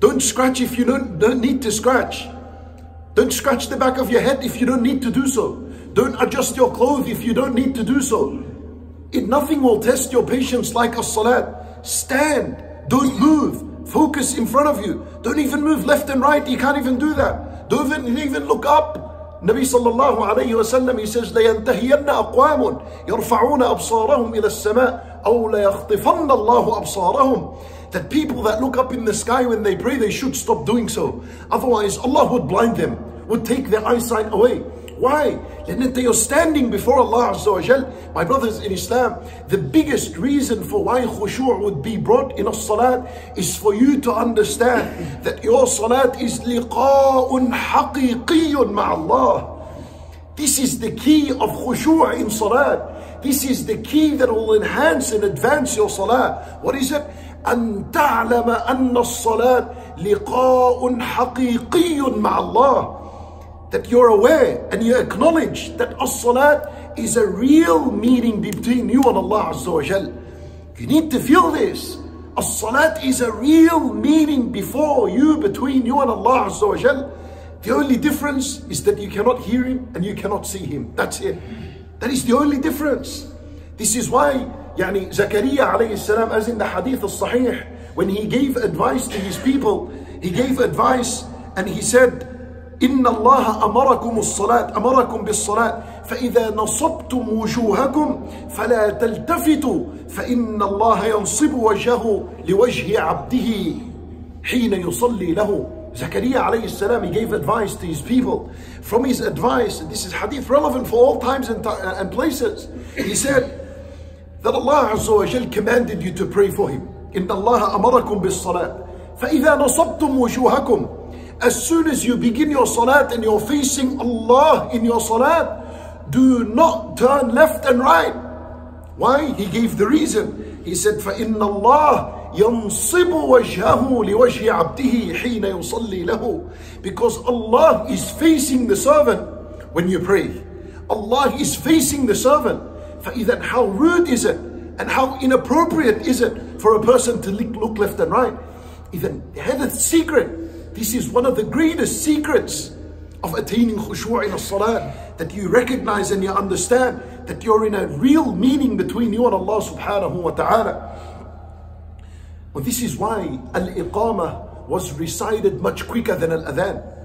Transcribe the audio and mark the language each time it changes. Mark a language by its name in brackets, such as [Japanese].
[English] Don't scratch if you don't need to scratch. Don't scratch the back of your head if you don't need to do so. Don't adjust your clothes if you don't need to do so. If nothing will test your patience like as-salat. Stand, don't move, focus in front of you. Don't even move left and right, you can't even do that. Don't even look up. [Arabic] Nabi sallallahu alayhi wa sallam, [English] he says, [Arabic] لَيَنْتَهِيَنَّ أَقْوَامٌ يَرْفَعُونَ أَبْصَارَهُمْ إِلَى السَّمَاءِ أَوْ لَيَخْطِفَنَّ اللَّهُ أَبْصَارَهُمْ. [English] That people that look up in the sky when they pray, they should stop doing so. Otherwise, Allah would blind them, would take their eyesight away. Why? [Arabic] لأنك [English] you're standing before Allah Azza wa Jal. My brothers in Islam, the biggest reason for why khushu' would be brought in a salat is for you to understand that your salat is [Arabic] liqa'un haqiqiyun ma'allah. [English] This is the key of khushu' in salat. This is the key that will enhance and advance your salat. What is it? [Arabic] أن تعلم أن الصلاة لقاء حقيقي مع الله. [English] That you're aware and you acknowledge that as-salat is a real meeting between you and Allah Azza wa Jal. You need to feel this. As-salat is a real meeting before you, between you and Allah Azza wa Jal. The only difference is that you cannot hear him and you cannot see him. That's it. That is the only difference. This is why [Arabic] يعني زكريا عليه السلام, [English] as in the hadith al-sahih, when he gave advice to his people, he gave advice and he said, [Arabic] إِنَّ اللَّهَ أَمَرَكُمُ الصَّلَاةِ أَمَرَكُمْ بِالصَّلَاةِ فَإِذَا نَصَبْتُمْ وُجُوهَكُمْ فَلَا تَلْتَفِتُوا فَإِنَّ اللَّهَ يَنْصِبُ وَجَهُ لِوَجْهِ عَبْدِهِ حِينَ يُصَلِّي لَهُ. [English] Zakariya alayhi salam, he gave advice to his people. From his advice, this is hadith relevant for all times and places, he said that Allah Azza wa Jal commanded you to pray for him. [Arabic] إِنَّ اللَّهَ أَمَرَكُمْ بِالصَّلَاةِ فَإِذَا نَصَبْتُمْ وُجُوهَكُمْ. [English] As soon as you begin your salat and you're facing Allah in your salat, do not turn left and right. Why? He gave the reason. He said, [Arabic] فَإِنَّ اللَّهَ يَنْصِبُ وَجْهَهُ لِوَجْهِ عَبْدِهِ حِينَ يُصَلِّي لَهُ. [English] Because Allah is facing the servant when you pray. Allah is facing the servant. [Arabic] فَإِذَا, [English] how rude is it? And how inappropriate is it for a person to look left and right? [Arabic] إذن, هذا [English] secret. This is one of the greatest secrets of attaining khushu' in as-salat, that you recognize and you understand that you're in a real meeting between you and Allah subhanahu wa ta'ala. Well, this is why al-iqama was recited much quicker than al-adhan.